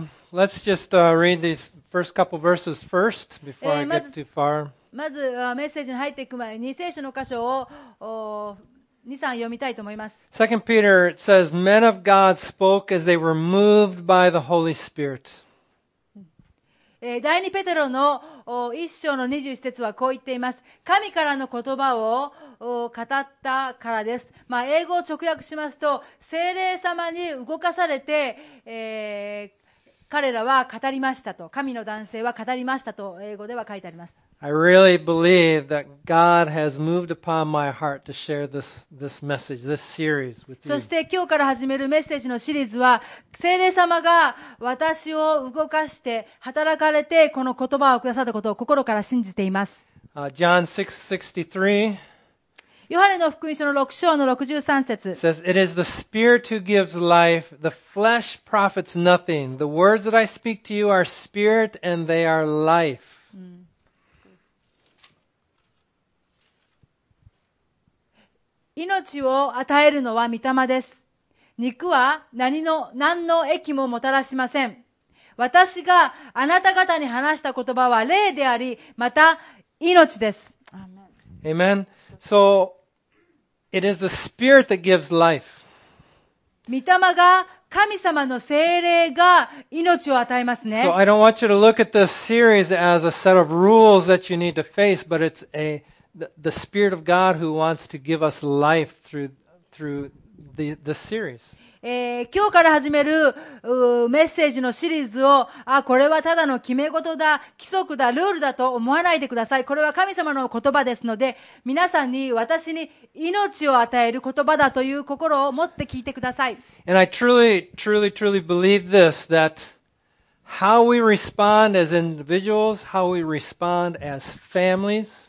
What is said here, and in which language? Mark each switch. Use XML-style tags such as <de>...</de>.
<en>Let's just read these first couple verses first before I get too far.</en> <ja>まずメッセージに入っていく前に聖書の箇所を2、3読みたいと思います。</ja> <en>2 Peter says, Men of God spoke as they were moved by the Holy Spirit.</en> <ja>第2ペテロの1章の21節はこう言っています。神からの言葉を語ったからです。まあ、英語を直訳しますと聖霊様に動かされて、彼らは語りましたと、神の男性は語りましたと英語では書いてあります。</ja> <en>I really believe that God has moved upon my heart to share this message, this series with you.</en> <ja>そして今日から始めるメッセージのシリーズは聖霊様が私を動かして働かれてこの言葉をくださったことを心から信じています。</ja> <en>John 6:63</en> <ja>ヨハネの福音書の6章の63節</ja> <en>says, It is the Spirit who gives life. The flesh profits nothing. The words that I speak to you are spirit and they are life.</en> <ja>命を与えるのは御霊です。肉は何の益ももたらしません。私があなた方に話した言葉は霊であり、また命です。</ja> <en>Amen. So, it is the Spirit that gives life.</en> <ja>御霊が、神様の聖霊が命を与えますね。</ja> <en>So, I don't want you to look at this series as a set of rules that you need to face, but it's aThe Spirit of God who wants to give us life through the series.</en> <ja>今日から始めるメッセージのシリーズを、これはただの決め事だ、規則だ、ルールだと思わないでください。これは神様の言葉ですので、皆さんに私に命を与える言葉だという心を持って聞いてください。</ja> <en>And I truly, truly, truly believe this, that how we respond as individuals, how we respond as families,</en>